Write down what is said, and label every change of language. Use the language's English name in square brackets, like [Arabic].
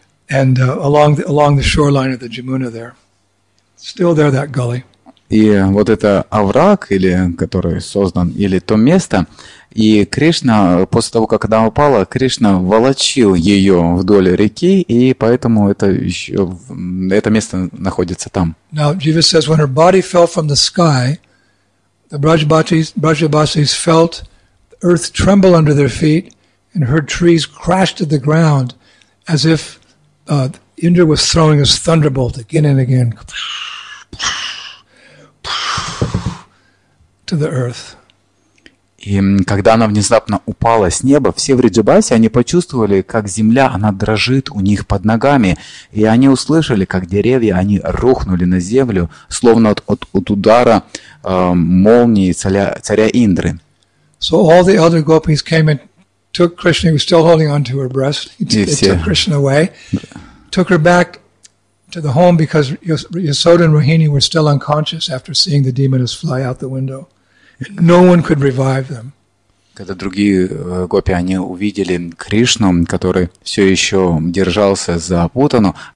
[English] along the shoreline of the Jamuna there. Still there, that gully. [Russian] И вот это овраг, или который создан, или то место. И Кришна, после того, как она упала, Кришна волочил ее вдоль реки, и поэтому это еще это место находится там. [English] Now, Jiva says, when her body fell from the sky, the Brajabasis felt earth tremble under their feet and heard trees crash to the ground as if Indra was throwing his thunderbolt again and again. To the earth. [Russian] И когда она внезапно упала с неба, все в Риджабасе, они почувствовали, как земля, она дрожит у них под ногами. И они услышали, как деревья, они рухнули на землю, словно от удара молнии царя Индры. [English] So all the other gopis came and took Krishna, he was still holding onto her breast, took Krishna away, took her back to the home because Yasoda and Rohini were still unconscious after seeing the demoness fly out the window. No one could revive them. [Russian] Когда другие гопи, они увидели Кришну, который все еще держался за путану.